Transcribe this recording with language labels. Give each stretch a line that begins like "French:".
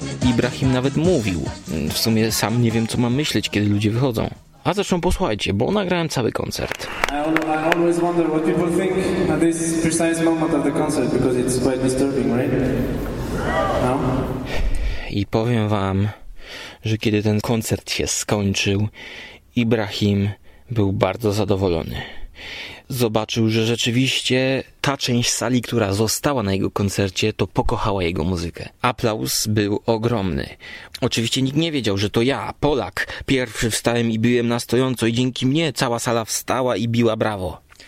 Polish: Ibrahim nawet mówił. W sumie sam nie wiem, co mam myśleć, kiedy ludzie wychodzą. A zresztą posłuchajcie, bo nagrałem cały koncert.
English: I always wonder what people think at this precise moment of the concert, because it's quite disturbing, right? No?
Polish: I powiem wam, że kiedy ten koncert się skończył, Ibrahim był bardzo zadowolony. Zobaczył, że rzeczywiście ta część sali, która została na jego koncercie, to pokochała jego muzykę. Aplauz był ogromny. Oczywiście nikt nie wiedział, że to ja, Polak, pierwszy wstałem i biłem na stojąco i dzięki mnie cała sala wstała i biła brawo.